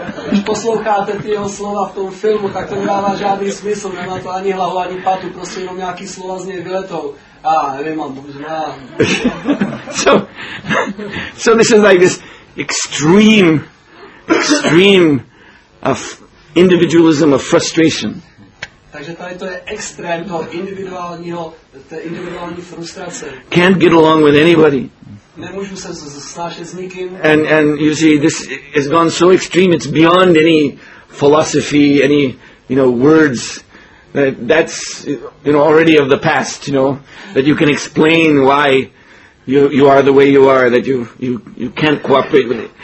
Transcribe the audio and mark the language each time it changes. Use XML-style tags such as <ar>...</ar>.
<cs>Když posloucháte ty jeho slova v tom filmu, tak to nedává žádný smysl, nemá to ani hlavu, ani patu, prostě jenom nějaký slova z něj vyletou. A nevím, mám možná.</cs> <en>So this is like this extreme of individualism, of frustration.</en> <cs>Takže tady to je extrém toho individuálního, té individuální frustrace.</cs> <en>Can't get along with anybody.</en> <cs>Nemůžu se snášet s nikým.</cs> <en>And you see, this has gone so extreme, it's beyond any philosophy, any, you know, words. That's, you know, already of the past, you know, that you can explain why you are the way you are, that you can't cooperate with it.</en>